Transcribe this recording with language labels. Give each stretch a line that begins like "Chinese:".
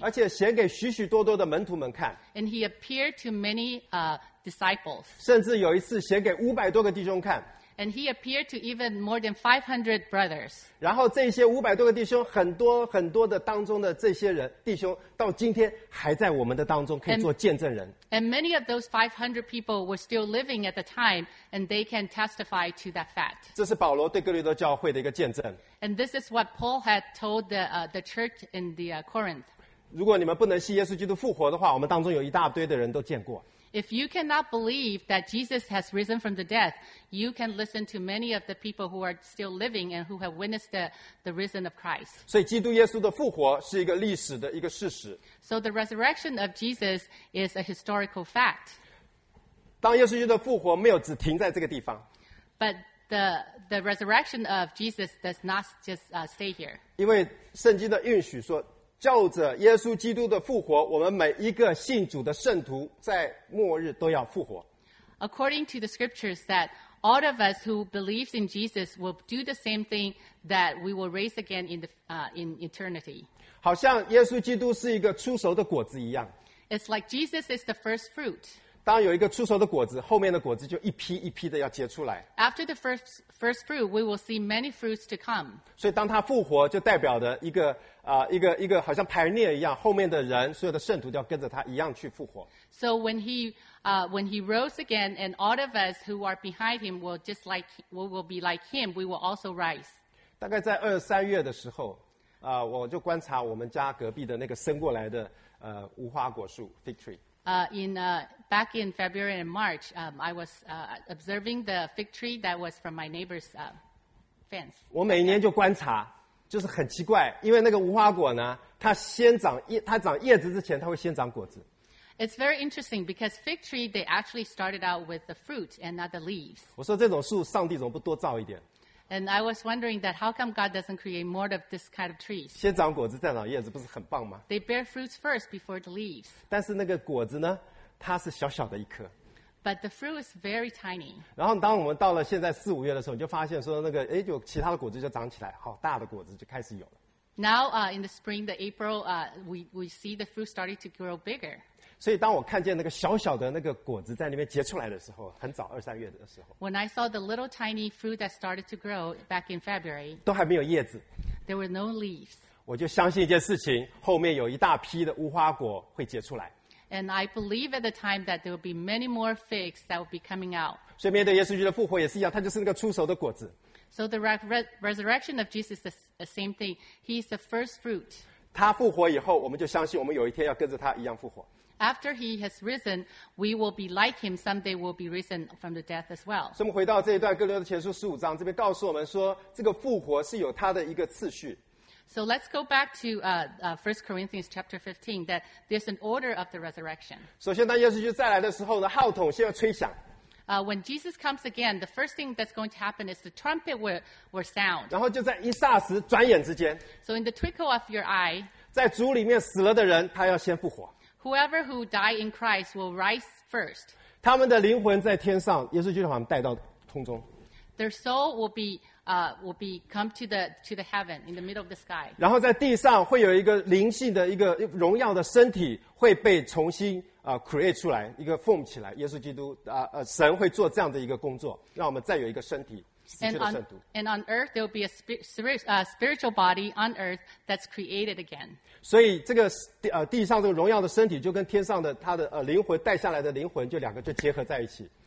Chinese: 而且显给许许多多的门徒们看。
English: And he appeared to many disciples.
Chinese: 甚至有一次显给五百多个弟兄看。
English: And he appeared to even more than 500 brothers.
Chinese: 然后这些五百多个弟兄，很多很多的当中的这些人弟兄，到今天还在我们的当中，可以做见证人。
English: And many of those 500 people were still living at the time, and they can testify to that fact.
Chinese: 这是保罗对哥林多教会的一个见证。
English: And this is what Paul had told the church in the Corinth.
Chinese: 如果你们不能信耶稣基督复活的话，我们当中有一大堆的人都见过。
English: If you cannot believe that Jesus has risen from the dead, you can listen to many of the people who are still living and who have witnessed the risen of Christ.
Chinese: 所以基督耶稣的复活是一个历史的一个事实。
English: So the resurrection of Jesus is a historical fact.
Chinese: 当耶稣基督的复活没有只停在这个地方。
English: But the resurrection of Jesus does not just stay here.
Chinese: 因为圣经的应许说照着耶稣基督的复活，我们每一个信主的圣徒在末日都要复活。
English: According to the scriptures, that all of us who believe in Jesus will do the same thing that we will raise again in eternity.
Chinese: 好像耶稣基督是一个出熟的果子一样。
English: It's like Jesus is the first fruit.
Chinese: 当有一个出熟的果子，后面的果子就一批一批的要结出来。
English: After the first fruit, we will see many fruits to come.
Chinese: 所以当他复活，就代表着一个好像pioneer一样，后面的人所有的圣徒都要跟着他一样去复活。
English: So when he rose again, and all of us who are behind him will just like we will be like him, we will also rise.
Chinese: 大概在二三月的时候，我就观察我们家隔壁的那个生过来的无花果树
English: fig tree. Back in February and March, I was observing the fig tree that was from my neighbor's fence.
Chinese: 我每年就观察。就是很奇怪，因为那个无花果呢，它先长叶，它长叶子之前，它会先长果子。
English: It's very interesting because fig tree they actually started out with the fruit and not the leaves.
Chinese: 我说这种树，上帝怎么不多造一点
English: ？And I was wondering that how come God doesn't create more of this kind of trees?
Chinese: 先长果子再长叶子，不是很棒吗
English: ？They bear fruits first before the leaves.
Chinese: 但是那个果子呢，它是小小的一颗。
English: But the fruit is very tiny.
Chinese: 然后当我们到了现在四五月的时候，你就发现说那个哎，有其他的果子就长起来，好大的果子就开始有了。
English: Now, in the spring, the April, we see the fruit starting to grow bigger.
Chinese: 所以当我看见那个小小的那个果子在那边结出来的时候，很早二三月的时候。
English: When I saw the little tiny fruit that started to grow back in February,
Chinese: 都还没有叶子。
English: There were no leaves.
Chinese: 我就相信一件事情，后面有一大批的无花果会结出来。
English: And I believe at the time that there will be many more figs that will be coming out.
Chinese: 所以面对耶稣基督的复活也是一样，他就是那个出熟的果子。
English: So the resurrection of Jesus is the same thing. He is the first fruit.
Chinese: 他复活以后，我们就相信我们有一天要跟着他一样复活。
English: After he has risen, we will be like him. Someday we'll be risen from the death as well.
Chinese: 所以我们回到这一段哥林多前书十五章，这边告诉我们说，这个复活是有它的一个次序。
English: So let's go back to 1 Corinthians chapter 15, that there's an order of the resurrection.
Chinese: 首先当耶稣基督再来的时候呢，号筒先要吹响。
English: When Jesus comes again, the first thing that's going to happen is the trumpet will sound.
Chinese: 然后就在一霎时转眼之间。
English: So in the twinkle of your eye,
Chinese: 在主里面死了的人，他要先复活。
English: Whoever who died in Christ will rise first.
Chinese: 他们的灵魂在天上，耶稣基督把他们带到空中。
English: Their soul will be come to the heaven in the middle of the sky.
Chinese: 然后在地上会有一个灵性的一个荣耀的身体会被重新create 出来，一个 form 起来。耶稣基督神会做这样的一个工作，让我们再有一个身体。
English: And on earth there will be a spiritual body on earth that's created again.
Chinese: 所以这个地上这个荣耀的身体就跟天上的他的灵魂带下来的灵魂就两个就结合在一起。